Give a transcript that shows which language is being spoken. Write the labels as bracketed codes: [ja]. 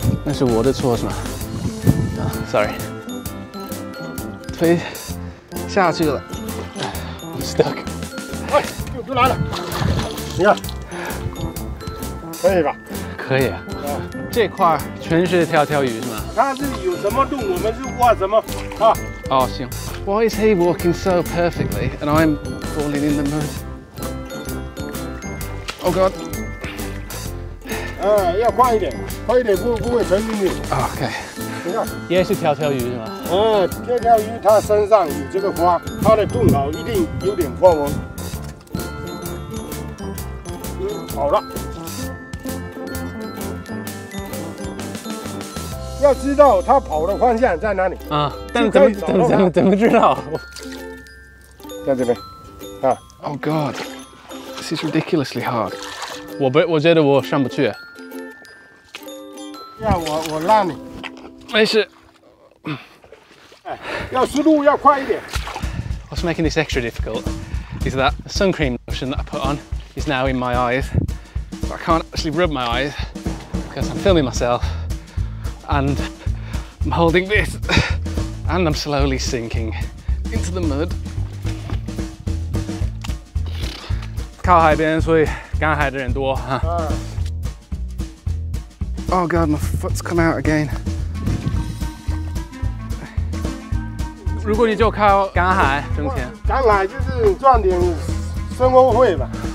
[zh] 那是我的错是吗？啊 ，sorry。推下去了。stuck，哎，又来了，你看，可以吧？可以啊。啊，这块全是跳跳鱼是吗？它是有什么洞，我们就挖什么啊。哦，行。 [en] Why is he walking so perfectly and I'm falling in the mud? Oh god！ [zh] 要快一点，快一点不会沉进去。 [en] OK。 [zh] 你看，也是跳跳鱼是吧？跳跳鱼它身上有这个花，它的洞口一定有点花纹。好了，要知道它跑的方向在哪里啊？但怎么知道？看这边， [en] 啊 ！Oh God, this is ridiculously hard. [zh] 我觉得我上不去。要我拉你。没事，要速度要快一点。 [en] What's making this extra difficult is that sun cream lotion that I put on is now in my eyes, but I can't actually rub my eyes because I'm filming myself and I'm holding this and I'm slowly sinking into the mud. [zh] 靠海边，所以赶海的人多哈。 [en] Oh God, my foot's come out again. [zh] 如果你就靠赶海挣钱，赶海就是赚点生活费吧。